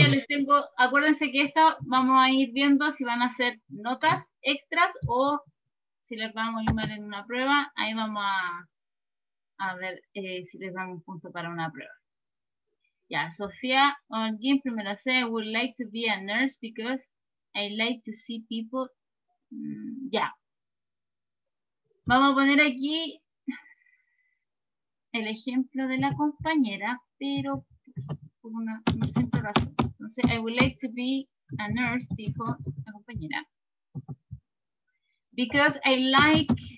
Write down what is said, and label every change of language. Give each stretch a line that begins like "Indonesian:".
Spanish: Ya les tengo, acuérdense que esta vamos a ir viendo si van a hacer notas extras o si les vamos a ir mal en una prueba, ahí vamos a ver si les dan un punto para una prueba. Ya, Sofía, alguien primero dice,
English: I would like to be a nurse because I like to see people.
Spanish: Ya. Vamos a poner aquí el ejemplo de la compañera, pero... Una simple razón. Entonces,
English: I would like to be a nurse,
Spanish: dijo la compañera.
English: Because I like.